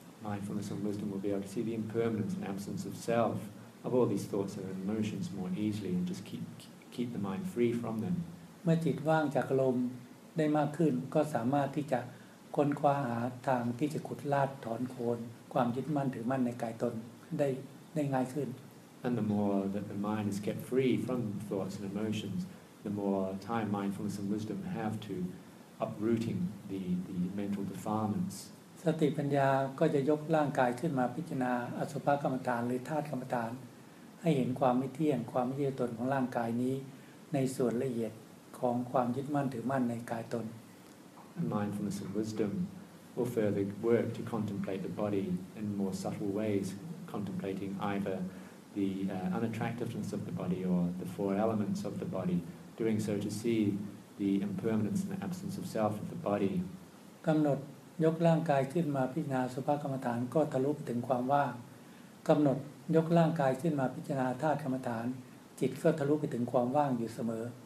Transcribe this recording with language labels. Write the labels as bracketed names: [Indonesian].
[English] Mindfulness and wisdom will be able to see the impermanence and absence of self of all these thoughts and emotions more easily and just keep the mind free from them. [Thai] เมื่อจิตว่างจากอารมณ์ได้มากขึ้นก็สามารถที่จะค้นคว้าหาทางที่จะขุดลาดถอนโคนความยึดมั่นถือมั่นในกายตนได้ง่ายขึ้น [English] And the more that the mind is kept free from thoughts and emotions, the more time mindfulness and wisdom have to uprooting the mental defilements. [Thai] สติปัญญาก็จะยกร่างกายขึ้นมาพิจารณาอสุภกรรมฐานหรือธาตุกรรมฐานให้เห็นความไม่เที่ยงความไม่ใช่ตนของร่างกายนี้ในส่วนละเอียดของความยึดมั่นถือมั่นในกายตน [English] And mindfulness and wisdom will further work to contemplate the body in more subtle ways, contemplating either the unattractiveness of the body or the four elements of the body, doing so to see the impermanence and the absence of self of the body. [Thai] กำหนดยกร่างกายขึ้นมาพิจารณาสุภกรรมฐานก็ทะลุถึงความว่างกำหนดยกร่างกายขึ้นมาพิจารณาธาตุกรรมฐานจิตก็ทะลุไปถึงความว่างอยู่เสมอ